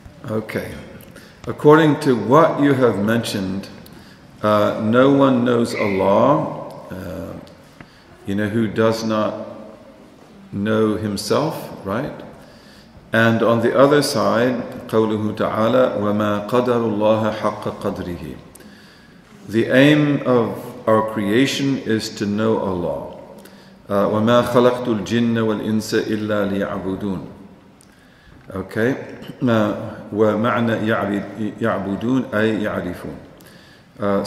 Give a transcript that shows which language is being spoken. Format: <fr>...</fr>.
<en>Okay. According to what you have mentioned, no one knows Allah, who does not know himself, right? And on the other side,</en> <ar>قَوْلُهُ تَعَالَى وَمَا قَدَرُ اللَّهَ حَقَّ قَدْرِهِ.</ar> <en>The aim of our creation is to know Allah.</en> <ar>وَمَا خَلَقْتُ الْجِنَّ وَالْإِنسَ إِلَّا لِيَعْبُدُونَ.</ar> <en>Okay.</en> <ar>وَمَعْنَى يَعْبُدُونَ أَيْ يَعْرِفُونَ.</ar>